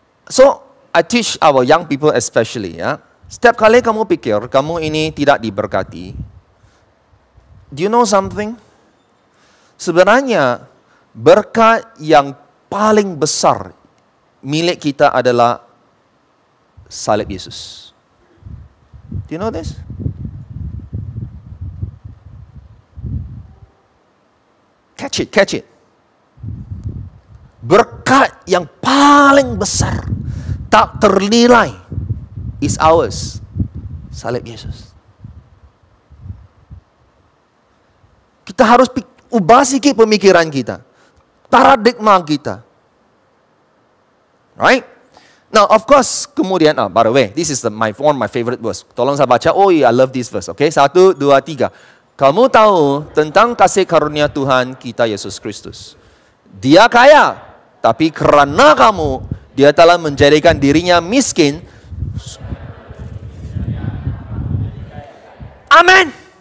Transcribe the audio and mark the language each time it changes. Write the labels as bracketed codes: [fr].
[en] So, I teach our young people especially, ya. [ms] Setiap kali kamu pikir kamu ini tidak diberkati, [en] do you know something? [ms] Sebenarnya, berkat yang paling besar milik kita adalah salib Yesus. [en] Do you know this? Catch it. [ms] Berkat yang paling besar, tak ternilai, [en] is ours, [ms] salib Yesus. Kita harus ubah sikit pemikiran kita. Paradigma kita. Right? [en] Now, of course, kemudian, by the way, this is one of my favorite verse. [ms] Tolong saya baca, [en] oh yeah, I love this verse. Okay, 1, 2, 3. [ms] Kamu tahu tentang kasih karunia Tuhan kita, Yesus Kristus. Dia kaya, tapi karena kamu, dia telah menjadikan dirinya miskin. Amen.